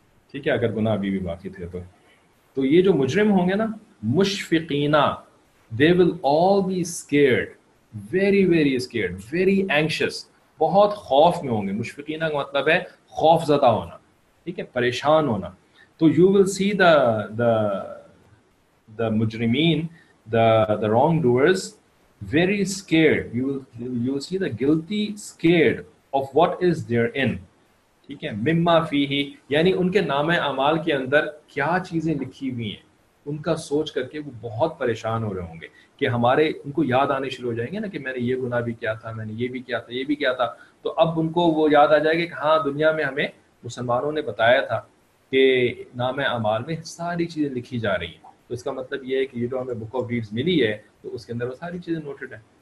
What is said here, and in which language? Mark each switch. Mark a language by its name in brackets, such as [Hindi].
[Urdu] ٹھیک ہے, اگر گناہ ابھی بھی باقی تھے تو. تو یہ جو مجرم ہوں گے نا, مشفقینہ, [English] they will all be scared, very very scared, very anxious, [Urdu] بہت خوف میں ہوں گے. مشفقینہ کا مطلب ہے خوف زدہ ہونا, ٹھیک ہے, پریشان ہونا. [English] تو you will see the مجرمین, the wrongdoers, very scared, you will see the guilty scared of what is there in. [Urdu] ٹھیک ہے, مما فیہ, یعنی ان کے نام اعمال کے اندر کیا چیزیں لکھی ہوئی ہیں, ان کا سوچ کر کے وہ بہت پریشان ہو رہے ہوں گے کہ ہمارے, ان کو یاد آنے شروع ہو جائیں گے نا کہ میں نے یہ گناہ بھی کیا تھا, میں نے یہ بھی کیا تھا, یہ بھی کیا تھا, تو اب ان کو وہ یاد آ جائے گا کہ ہاں دنیا میں ہمیں مسلمانوں نے بتایا تھا کہ نام اعمال میں ساری چیزیں لکھی جا رہی ہیں, تو اس کا مطلب یہ ہے کہ یہ جو ہمیں بک آف ڈیڈز ملی ہے تو اس کے اندر وہ ساری چیزیں نوٹڈ ہیں.